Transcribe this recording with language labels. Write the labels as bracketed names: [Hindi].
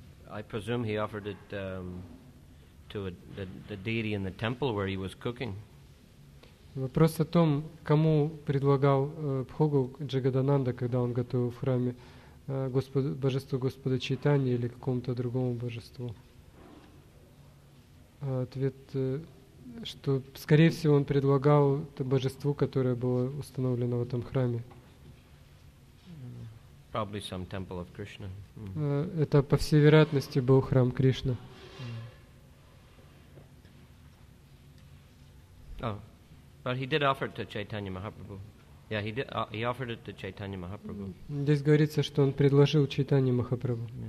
[English] I presume he offered it to the deity in the temple where he was cooking. [Russian] Вопрос о том, кому предлагал бхогу Джагадананда, когда он готовил в храме божеству Господа Чайтанья или какому-то другому божеству. Ответ. Что, скорее всего, он предлагал то божество, которое было установлено в этом храме. [English] Probably some temple of Krishna. [Russian] Это, по всей вероятности, был храм Кришны. [English] But he did offer it to Chaitanya Mahaprabhu. Yeah, he offered it to Chaitanya Mahaprabhu. [Russian] Здесь говорится, что он предложил Чайтанье Махапрабху.